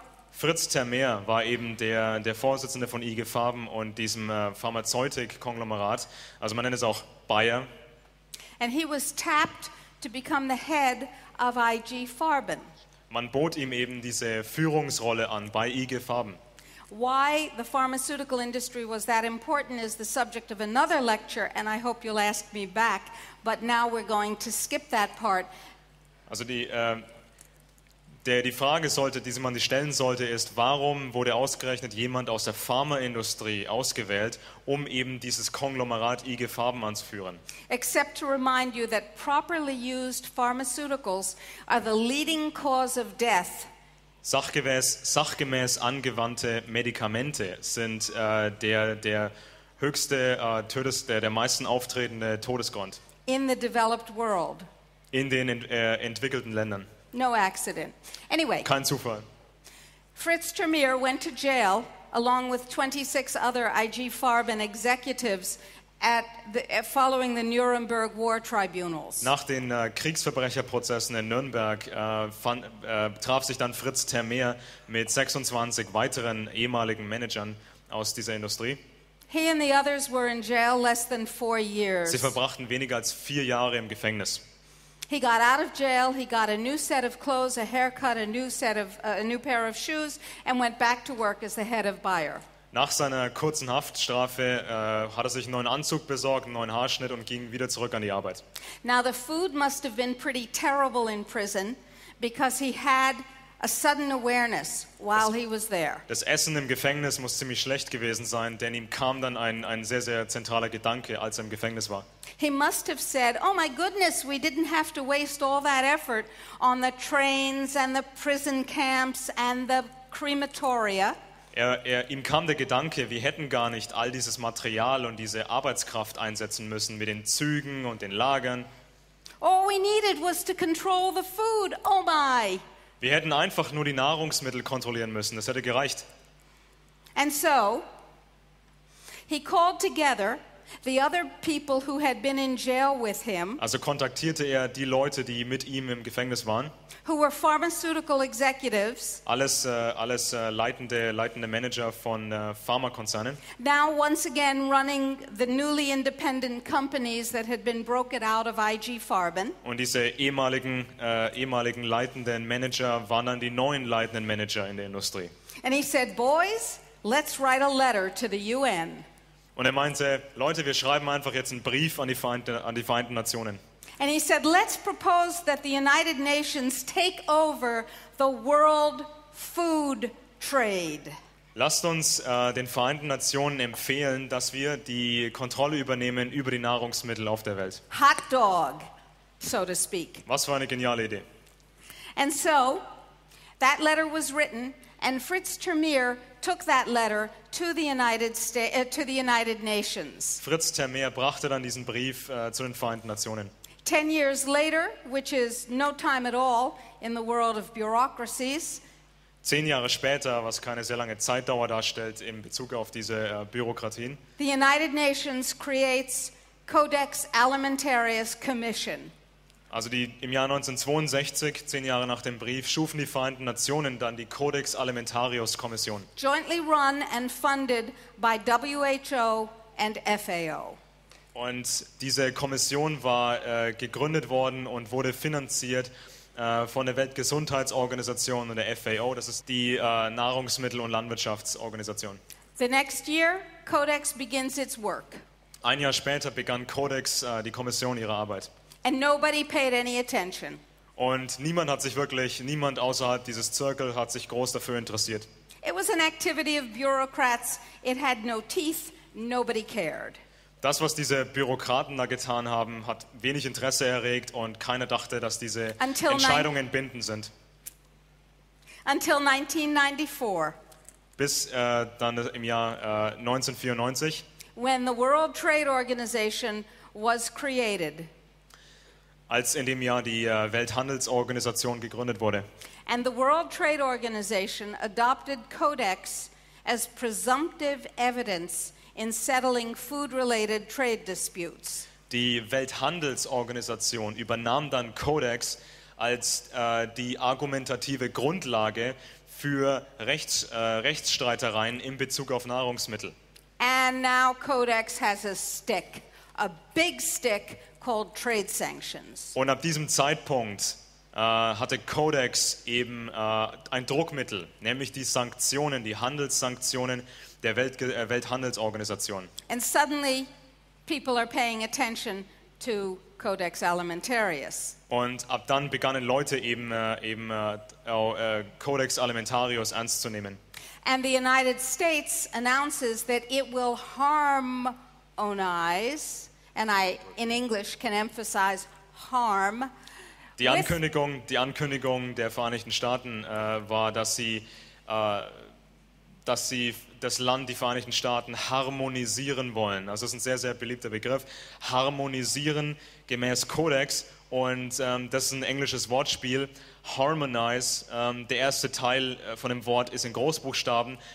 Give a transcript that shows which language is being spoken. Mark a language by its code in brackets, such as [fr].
[de] Fritz Termeer war eben der Vorsitzende von IG Farben und diesem Pharmazeutik-Konglomerat. Also man nennt es auch Bayer. [en] And he was tapped to become the head of IG Farben. [de] Man bot ihm eben diese Führungsrolle an bei IG Farben. [en] Why the pharmaceutical industry was that important is the subject of another lecture, and I hope you'll ask me back, but now we're going to skip that part. [de] Also die Frage sollte, die man sich stellen sollte, ist, warum wurde ausgerechnet jemand aus der Pharmaindustrie ausgewählt, um eben dieses Konglomerat IG Farben anzuführen? [en] Except to remind you that properly used pharmaceuticals are the leading cause of death. [de] Sachgemäß angewandte Medikamente sind der höchste, der meisten auftretende Todesgrund. [en] In the developed world. [de] In den entwickelten Ländern. [en] No accident. Anyway, [de] kein Zufall. [en] Fritz Termeer went to jail along with 26 other IG Farben executives following the Nuremberg War Tribunals. [de] Nach den Kriegsverbrecherprozessen in Nürnberg traf sich dann Fritz Termeer mit 26 weiteren ehemaligen Managern aus dieser Industrie. [en] He and the others were in jail less than 4 years. [de] Sie verbrachten weniger als 4 Jahre im Gefängnis. [en] He got out of jail, he got a new set of clothes, a haircut, a new pair of shoes, and went back to work as the head of Bayer. [de] Nach seiner kurzen Haftstrafe hat sich einen neuen Anzug besorgt, einen neuen Haarschnitt und ging wieder zurück an die Arbeit. [en] Now the food must have been pretty terrible in prison, because he had a sudden awareness while he was there. [de] Das Essen im Gefängnis muss ziemlich schlecht gewesen sein, denn ihm kam dann ein sehr, sehr zentraler Gedanke, als im Gefängnis war. [en] He must have said, oh my goodness, we didn't have to waste all that effort on the trains and the prison camps and the crematoria. [de] Ihm kam der Gedanke, wir hätten gar nicht all dieses Material und diese Arbeitskraft einsetzen müssen mit den Zügen und den Lagern. [en] All we needed was to control the food, oh my. [de] Wir hätten einfach nur die Nahrungsmittel kontrollieren müssen, das hätte gereicht. [en] And so, he called together the other people who had been in jail with him. [de] Also kontaktierte die Leute, die mit ihm im Gefängnis waren. [en] Who were pharmaceutical executives. [de] Alles leitende Manager von Pharmakonzernen. [en] Now once again running the newly independent companies that had been broken out of IG Farben. [de] Und diese ehemaligen leitenden Manager waren dann die neuen leitenden Manager in der Industrie. [en] And he said, boys, let's write a letter to the UN. [de] Und er meinte, Leute, wir schreiben einfach jetzt einen Brief an die Vereinten Nationen. [en] And he said, let's propose that the United Nations take over the world food trade. [de] Lasst uns den Vereinten Nationen empfehlen, dass wir die Kontrolle übernehmen über die Nahrungsmittel auf der Welt. [en] Hot dog, so to speak. [de] Was für eine geniale Idee. [en] And so, that letter was written, and Fritz Termeer took that letter to the United States, to the United Nations. [de] Fritz Termeer brachte dann diesen Brief zu den Vereinten Nationen. [en] 10 years later, which is no time at all in the world of bureaucracies. [de] 10 Jahre später, was keine sehr lange Zeitdauer darstellt in Bezug auf diese Bürokratien. [en] The United Nations creates Codex Alimentarius Commission. [de] Also die im Jahr 1962, 10 Jahre nach dem Brief, schufen die Vereinten Nationen dann die Codex Alimentarius Kommission. [en] Jointly run and funded by WHO and FAO. [de] Und diese Kommission war gegründet worden und wurde finanziert von der Weltgesundheitsorganisation und der FAO, das ist die Nahrungsmittel- und Landwirtschaftsorganisation. [en] The next year, Codex begins its work. [de] Ein Jahr später begann Codex, die Kommission, ihre Arbeit. [en] And nobody paid any attention. [de] Und niemand hat sich wirklich, niemand außerhalb dieses Zirkel hat sich groß dafür interessiert. [en] It was an activity of bureaucrats. It had no teeth. Nobody cared. [de] Das, was diese Bürokraten da getan haben, hat wenig Interesse erregt und keiner dachte, dass diese Entscheidungen bindend sind. [en] Until 1994. [de] Bis dann im Jahr 1994. [en] When the World Trade Organization was created. [de] Als in dem Jahr die Welthandelsorganisation gegründet wurde. [en] And the World Trade Organization adopted Codex as presumptive evidence in settling food-related trade disputes. [de] Die Welthandelsorganisation übernahm dann Codex als die argumentative Grundlage für Rechtsstreitereien in Bezug auf Nahrungsmittel. [en] And now Codex has a stick, a big stick called trade sanctions. [de] Und ab diesem Zeitpunkt hatte Codex eben ein Druckmittel, nämlich die Sanktionen, die Handelssanktionen der Welthandelsorganisation. [en] And suddenly people are paying attention to Codex Alimentarius. [de] Und ab dann begannen Leute eben Codex Alimentarius ernst zu nehmen. [en] And the United States announces that it will harmonize, and I in English can emphasize harm. [de] Die Ankündigung der Vereinigten Staaten war, dass sie das Land, die Vereinigten Staaten, harmonisieren wollen. Also das ist ein sehr, sehr beliebter Begriff. Harmonisieren gemäß Codex. Und das ist ein englisches Wortspiel. Harmonize, der erste Teil von dem Wort ist in Großbuchstaben.